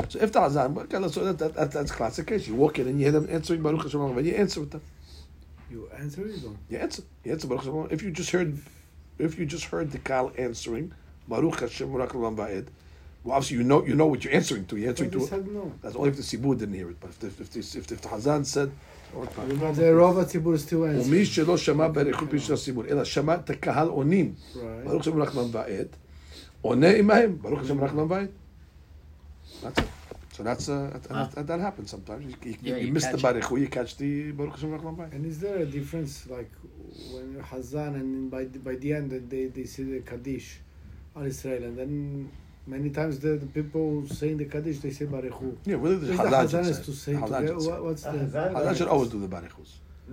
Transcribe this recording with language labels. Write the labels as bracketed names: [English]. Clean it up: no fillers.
[English] So that's classic case. You walk in and you hear them answering [Hebrew] Baruch Hashem Rakhman Ba'ed. [English] You answer with them. You answer Baruch Hashem. If you just heard the Kaal answering [Hebrew] Baruch Hashem Rakhman Ba'ed, [English] well, obviously you know what you're answering to. No. That's only if the Sibur didn't hear it. But if the Hazan said. The Rav HaTzibur is still answering. [Hebrew] ומי שלא שמע ברכות פשוט הסיבור, אלא שמע את הקהל עונים. ברוך השם רחמן ועד. עונה עמהם, ברוך השם רחמן ועד. [English] That's it. So that happens sometimes. You miss the ברכות, you catch the [Hebrew] ברוך השם רחמן ועד. [English] And is there a difference, like, when you're Hazan, and by the end, they say the Kaddish, on Israel, and then many times the people saying the Kaddish, they say Barichu. Yeah, what is the Hazan to say? What's the Hazan should always do the Barichus. No,